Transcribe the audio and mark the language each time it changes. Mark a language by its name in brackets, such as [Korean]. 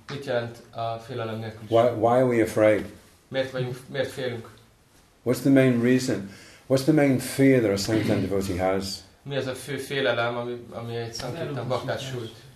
[Hungarian] Mit jelent a félelem nélküliség? [English] Why are we afraid? [Hungarian] Miért félünk? [English] What's the main reason? What's the main fear that a Sankirtan devotee has? [Hungarian] Mi az a fő félelem, ami egy Sankirtan baktát sújt?